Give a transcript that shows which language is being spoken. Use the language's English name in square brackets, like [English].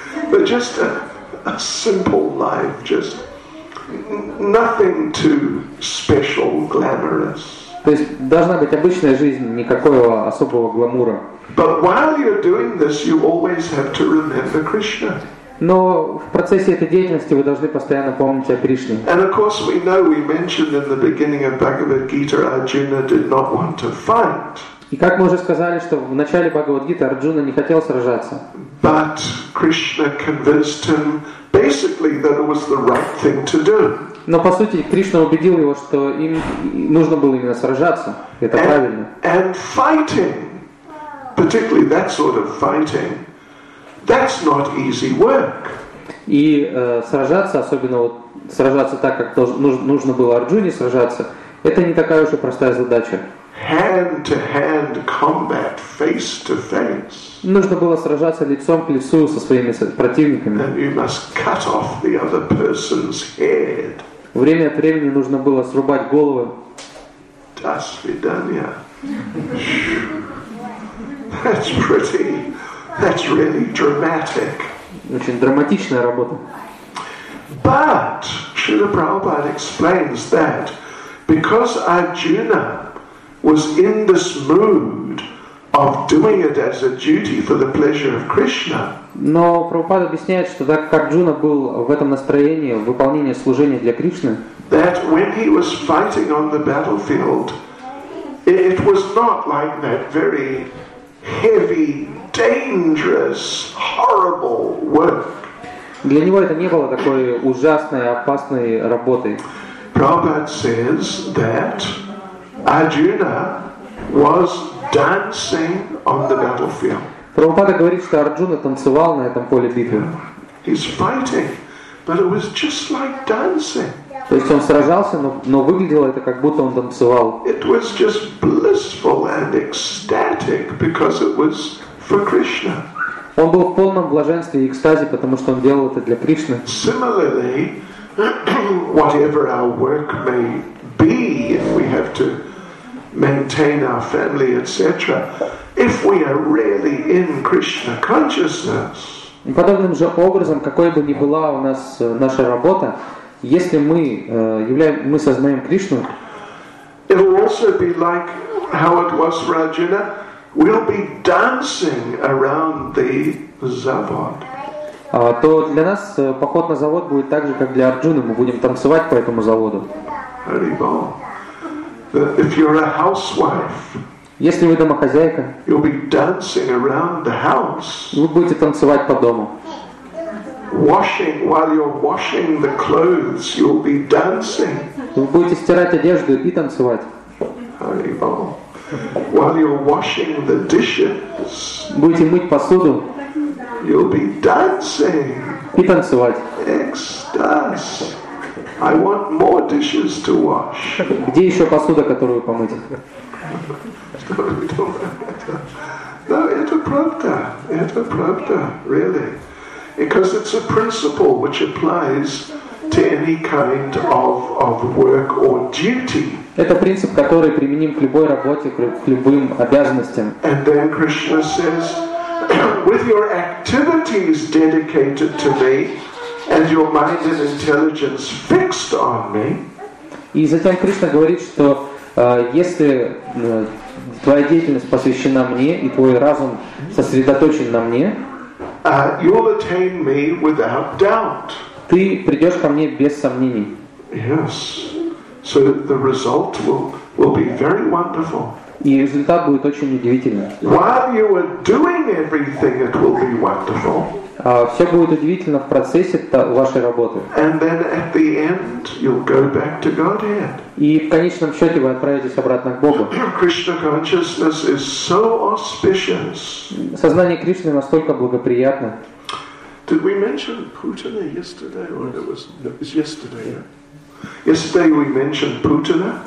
[English] But just a simple life, just nothing too special, glamorous. [Russian] То есть должна быть обычная жизнь, никакого особого гламура. [English] But while you're doing this, you always have to remember Krishna. [Russian] Но в процессе этой деятельности вы должны постоянно помнить о Кришне. [English] And of course we know, we mentioned in the beginning of Bhagavad Gita, Arjuna did not want to fight. [Russian] И как мы уже сказали, что в начале Бхагавад-гиты Арджуна не хотел сражаться. [English] But Krishna convinced him basically that it was the right thing to do. [Russian] Но по сути Кришна убедил его, что им нужно было именно сражаться. Это правильно. [English] And fighting, particularly that sort of fighting, that's not easy work. [Russian] И сражаться, особенно вот сражаться так, как нужно было Арджуне сражаться, это не такая уж и простая задача. [English] Hand-to-hand combat, face-to-face. [Russian] Нужно было сражаться лицом к лицу со своими противниками. [English] And you must cut off the other person's head. [Russian] Время от времени нужно было срубать головы. До свидания. [English] That's pretty. That's really dramatic. [Russian] Очень драматичная работа. [English] But Srila Prabhupada explains that because Arjuna was in this mood of doing it as a duty for the pleasure of Krishna. [Russian] Но Прабхупада объясняет, что так как Арджуна был в этом настроении выполнения служения для Кришны, [English] that when he was fighting on the battlefield, it was not like that very heavy, dangerous, horrible work. [Russian] Для него это не было такой ужасной, опасной работой. [English] Prabhupada says that Arjuna was dancing on the battlefield. [Russian] Прабхупада говорит, что Арджуна танцевал на этом поле битвы. [English] He's fighting, but it was just like dancing. [Russian] То есть он сражался, но выглядело это как будто он танцевал. [English] It was just blissful and ecstatic because it was for Krishna. [Russian] Он был в полном блаженстве и экстазе, потому что он делал это для Кришны. [English] Similarly, whatever our work may be, if we have to maintain our family, etc. If we are really in Krishna consciousness. [Russian] Подобным же образом, какой бы ни была у нас наша работа, если мы мы сознаем Кришну. [English] It will also be like how it was for Arjuna. We'll be dancing around the zavod. [Russian] То для нас поход на завод будет так же, как для Арджуны. Мы будем танцевать по этому заводу. [English] If you're a housewife, [Russian] если вы домохозяйка, [English] you'll be dancing around the house. [Russian] Вы будете танцевать по дому. [English] Washing while you're washing the clothes, you'll be dancing. [Russian] Вы будете стирать одежду и танцевать. [English] While you're washing the dishes, [Russian] будете мыть посуду, [English] you'll be dancing. [Russian] И танцевать. Экстаз. [English] I want more dishes to wash. [Russian] Где еще посуда, которую помыть? [English] No, [Russian] это правда, [English] really. Because it's a principle which applies to any kind of work or duty. [Russian] Это принцип, который применим к любой работе, к любым обязанностям. [English] And then Krishna says, with your activities dedicated to me, and your mind and intelligence fixed on me. [Russian] И затем Кришна говорит, что если твоя деятельность посвящена мне и твой разум сосредоточен на мне, [English] you'll attain me without doubt. [Russian] Ты придешь ко мне без сомнений. [English] Yes. So the result will be very wonderful. [Russian] И результат будет очень удивительным. [English] While you are doing everything, it will be wonderful. [Russian] Все будет удивительно в процессе вашей работы. [English] And then at the end, you'll go back to Godhead. [Russian] И в конечном счете вы отправитесь обратно к Богу. [English] Krishna consciousness is so auspicious. [Russian] Сознание Кришны настолько благоприятно. [English] Did we mention Putana yesterday? Or it was yesterday, yeah? Yesterday we mentioned Putana.